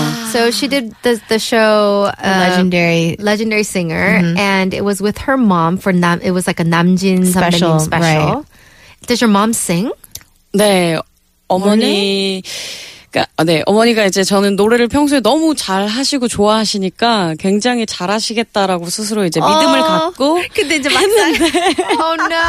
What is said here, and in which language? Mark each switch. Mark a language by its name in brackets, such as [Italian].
[English] So she did the show legendary singer mm-hmm. and it was with her mom for it was like a 남진 special, 선배님 special. Right. Does your mom sing? [Korean] 네. 어머니가 네, 어머니가 이제 저는 노래를 평소에 너무 잘 하시고 좋아하시니까 굉장히 잘 하시겠다라고 스스로 이제 믿음을 갖고 근데 이제 막상 [English] Oh no.